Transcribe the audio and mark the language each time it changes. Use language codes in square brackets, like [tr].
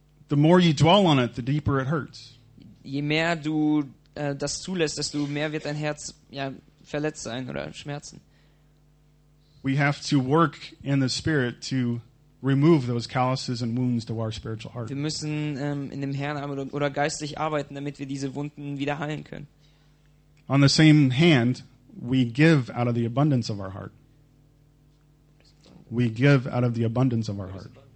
[en] the more you dwell on it, the deeper it hurts. [de] Je mehr du das zulässt, desto mehr wird dein Herz ja verletzt sein oder schmerzen. [en] We have to work in the spirit to remove those calluses and wounds to our spiritual heart. [de] Wir müssen in dem Herrn oder geistlich arbeiten, damit wir diese Wunden wieder heilen können. [en] On the same hand, we give out of the abundance of our heart. We give out of the abundance of our heart.